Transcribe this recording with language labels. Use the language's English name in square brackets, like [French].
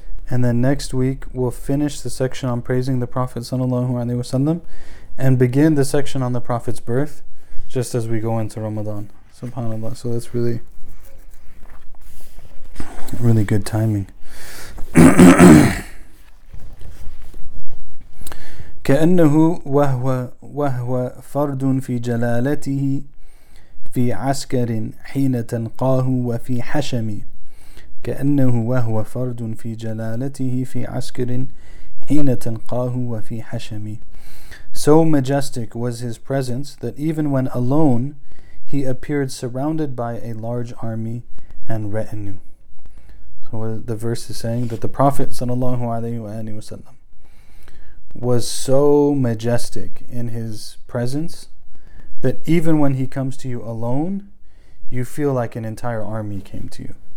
[English] And then next week, we'll finish the section on praising the Prophet sallallahu alaihi wasallam and begin the section on the Prophet's birth just as we go into Ramadan. SubhanAllah. So that's really, really good timing. [Arabic] كأنه وهو فرد في جلالته في عسكر حين تلقاه وفي حشم كأنه وهو فرد في جلالته في عسكر حين تلقاه وفي حشم. [English] So majestic was his presence that even when alone he appeared surrounded by a large army and retinue. So the verse is saying that the Prophet sallallahu alaihi wasallam was so majestic in his presence that even when he comes to you alone, you feel like an entire army came to you.